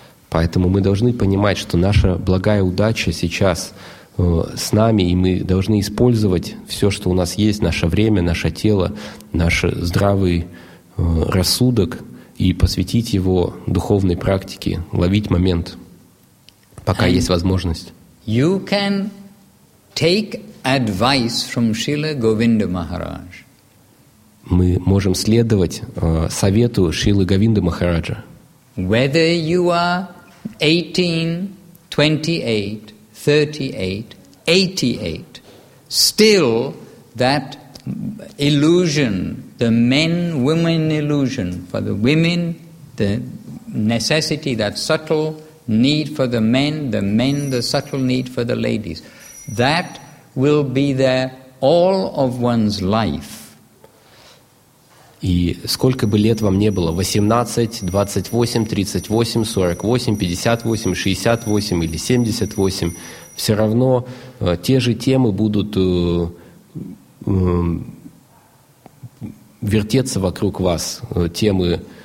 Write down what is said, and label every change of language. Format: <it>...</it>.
<ru>Поэтому мы должны понимать, что наша благая удача сейчас с нами, и мы должны использовать все, что у нас есть, наше время, наше тело, наш здравый рассудок, и посвятить его духовной практике, ловить момент, пока</ru> <en>and</en> <ru>есть возможность.</ru> <en>You can take advice from Srila Govinda Maharaj.</en> <ru>Мы можем следовать совету Шрилы Говинды Махараджа.</ru> <en>Whether you are 18, 28, 38, 88, still that illusion, the men-women illusion, for the women, the necessity, that subtle need for the men, the subtle need for the ladies, that will be there all of one's life.</en> <ru>И сколько бы лет вам не было, 18, 28, 38, 48, 58, 68 или 78, все равно те же темы будут вертеться вокруг вас, темы...</ru>